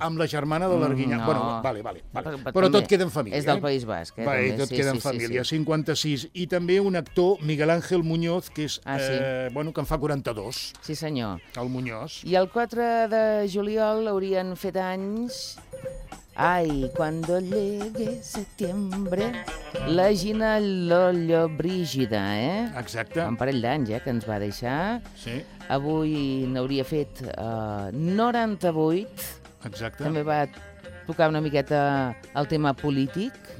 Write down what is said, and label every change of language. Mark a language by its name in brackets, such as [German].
[Catalan] Amb la germana de l'Arguiñano. No. Bueno, vale. Però també tot queda en família. És del País Basc. Tot queda en família. 56. I també un actor, Miguel Ángel Muñoz, que és... Bueno, que en fa 42. Sí, senyor. El Muñoz. I el 4 de juliol haurien fet anys... [Spanish] Ay, cuando llegue septiembre, la Gina Lollo Brígida, eh? [Catalan] Exacte. Un parell d'anys, que ens va deixar. Sí. Avui n'hauria fet 98. Exacte. També va tocar una miqueta el tema polític.